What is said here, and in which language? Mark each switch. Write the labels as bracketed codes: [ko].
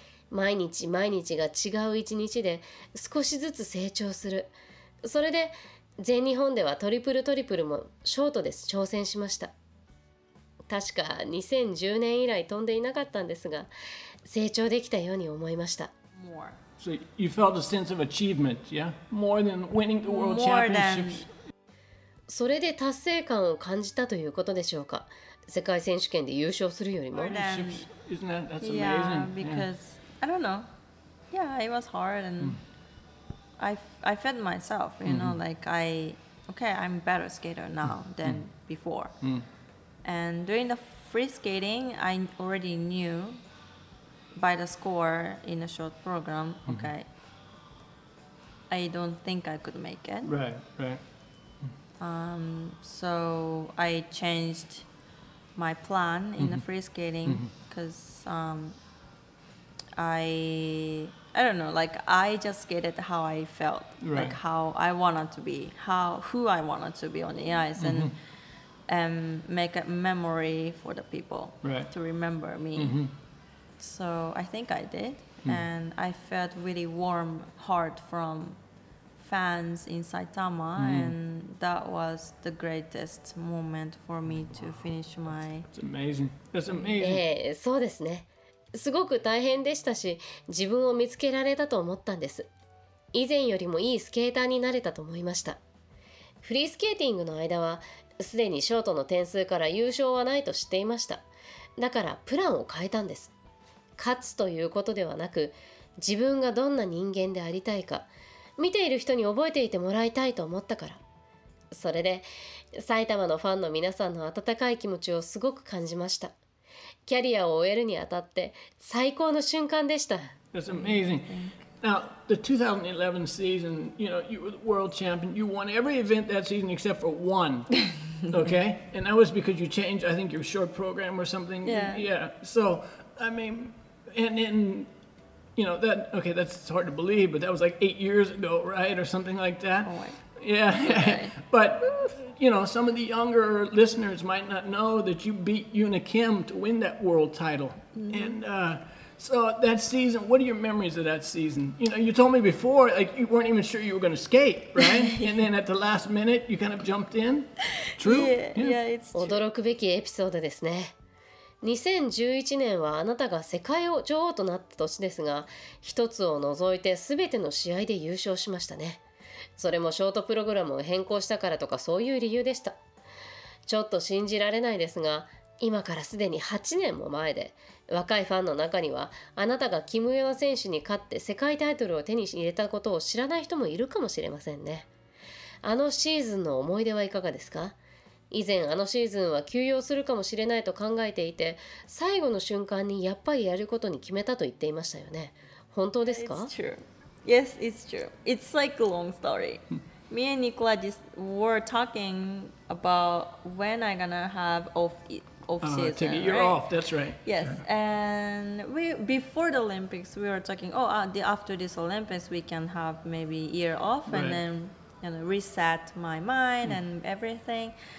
[ja] 毎日毎日が違う一日で少しずつ成長する。それで全日本ではトリプルトリプルもショートです挑戦しました。確か2010年以来飛んでいなかったんですが、成長できたように思いました。 [en] So you felt a sense of achievement, yeah? More than winning the world championships. [ja] それで達成感を感じたということでしょうか。世界選手権で優勝するよりも。 [en] Isn't that, that's amazing. Yeah, because, yeah. I don't know. Yeah, it was hard and I fed myself, you know, like I'm better skater now than before. And during the free skating, I already knew by the score in a short program, okay, I don't think I could make it. Right, right. So I changed my plan in the free skating because I don't know, like I just skated how I felt, right. Like how I wanted to be, who I wanted to be on the ice and make a memory for the people to remember me. So I think I did, and I felt really warm heart from fans in Saitama, and that was the greatest moment for me to finish my... That's amazing. [ja] そうですね。すごく大変でしたし、自分を見つけられたと思ったんです。以前よりもいいスケーターになれたと思いました。フリースケーティングの間は、すでにショートの点数から優勝はないと知っていました。だからプランを変えたんです。勝つということではなく、自分がどんな人間でありたいか、見ている人に覚えていてもらいたいと思ったから。それで、埼玉のファンの皆さんの温かい気持ちをすごく感じました。キャリアを終えるにあたって、最高の瞬間でした。 [en] That's amazing. Now, the 2011 season, you know, you were the world champion. You won every event that season except for one. Okay? And that was because you changed, I think, your short program or something. Yeah. So, I mean... And then, you know, that, okay, that's hard to believe, but that was like 8 years ago, right? Or something like that. Yeah. But, you know, some of the younger listeners might not know that you beat Yuna Kim to win that world title. And so that season, what are your memories of that season? You know, you told me before, like, you weren't even sure you were going to skate, right? And then at the last minute, you kind of jumped in. True? Yeah, it's true. [ja] 驚くべきエピソードですね。2011年はあなたが世界女王となった年ですが、一つを除いて全ての試合で優勝しましたね。それもショートプログラムを変更したからとかそういう理由でした。ちょっと信じられないですが、今からすでに8年も前で、若いファンの中にはあなたがキム・ヨナ選手に勝って世界タイトルを手に入れたことを知らない人もいるかもしれませんね。あのシーズンの思い出はいかがですか？以前あのシーズンは休養するかもしれないと考えていて、最後の瞬間にやっぱりやることに決めたと言っていましたよね。本当ですか？ [en] It's true. Yes, it's true. It's like a long story. Me and Nicola just were talking about when I'm gonna have off season. To get your off, that's right. Yes, and before the Olympics, we were talking, after this Olympics, we can have maybe a year off and then reset my mind and everything.